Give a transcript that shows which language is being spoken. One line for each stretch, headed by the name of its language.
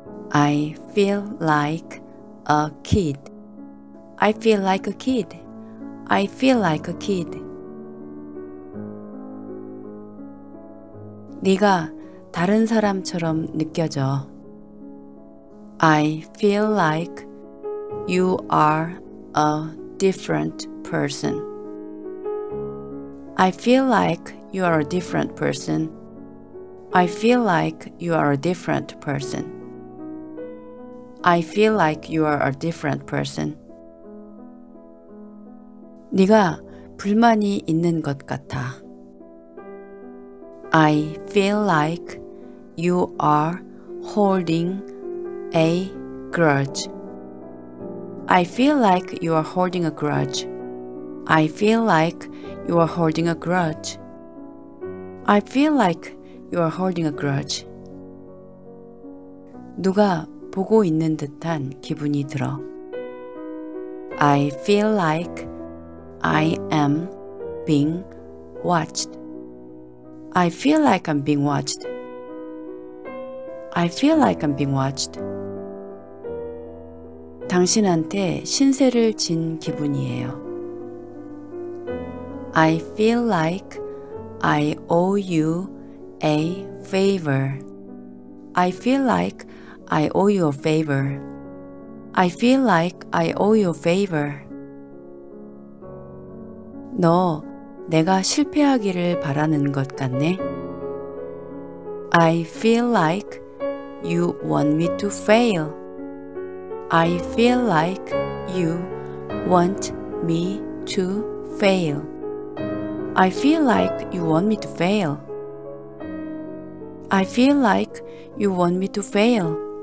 English: I feel like a kid. I feel like a kid. I feel like a kid.
Korean: 네가 다른 사람처럼 느껴져.
English: I feel like you are a different person. I feel like you are a different person. I feel like you are a different person. I feel like you are a different person.
Korean: 네가 불만이 있는 것 같아.
English: I feel like you are holding a grudge. I feel like you are holding a grudge. I feel like you are holding a grudge. I feel like you are holding a grudge.
Korean: 누가 보고 있는 듯한 기분이 들어.
English: I feel like I am being watched. I feel like I'm being watched. I feel like I'm being watched.
Korean: 당신한테 신세를 진 기분이에요.
English: I feel like I owe you a favor. I feel like I owe you a favor. I feel like I owe you a favor.
Korean: 너 내가 실패하기를 바라는 것 같네.
English: I feel like you want me to fail. I feel like you want me to fail. I feel like you want me to fail. I feel like you want me to fail.